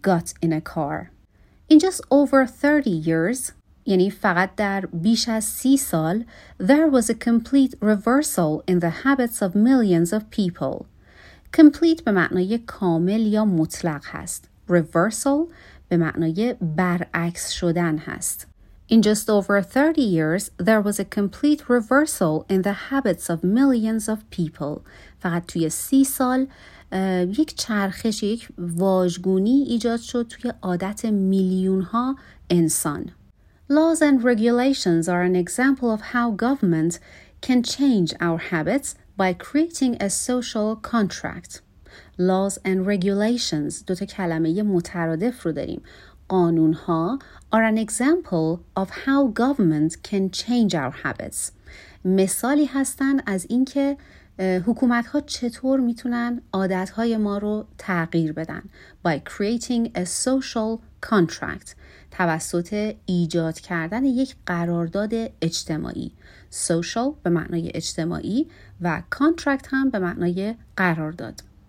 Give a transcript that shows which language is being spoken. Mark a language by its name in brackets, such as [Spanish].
[English] Got in a car. In just over 30 years [Persian] یعنی فقط در بیش از 30 سال [English] there was a complete reversal in the habits of millions of people. [Persian] Complete به معنای کامل یا مطلق هست. Reversal به معنای برعکس شدن هست. [English] In just over 30 years, there was a complete reversal in the habits of millions of people. [Persian] فقط توی 30 سال یک چرخش، یک واژگونی ایجاد شد توی عادت میلیون ها انسان. [English] Laws and regulations are an example of how government can change our habits by creating a social contract. Laws and regulations [Persian] دو تا کلمه مترادف رو داریم. قانون ها [English] are an example of how government can change our habits. [Persian] مثالی هستن از اینکه حکومت ها چطور میتونن عادت های ما رو تغییر بدن. [English] By creating a social contract. [Persian] توسط ایجاد کردن یک قرارداد اجتماعی، social به معنای اجتماعی و contract هم به معنای قرارداد.